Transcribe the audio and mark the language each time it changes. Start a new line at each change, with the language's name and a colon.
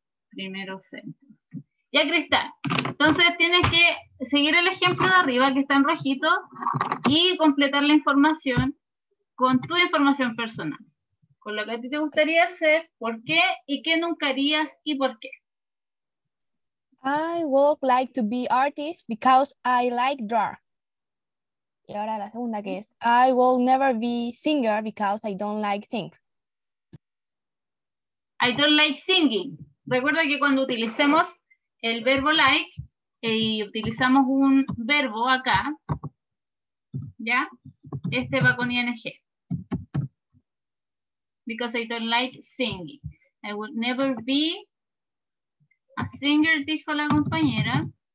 Spanish: Primero centro. Ya, Cristal. Entonces tienes que seguir el ejemplo de arriba que está en rojito y completar la información con tu información personal. Con lo que a ti te gustaría hacer, por qué y qué nunca harías y por qué.
English: I would like to be artist because I like draw.
Spanish: Y ahora la segunda que es
English: I will never be singer because I don't like sing. I don't like singing.
Spanish: Recuerda que cuando utilicemos el verbo like y utilizamos un verbo acá, ¿ya? Este va con ing.
English: Because I don't like singing. I would never be a singer,
Spanish: dijo la compañera.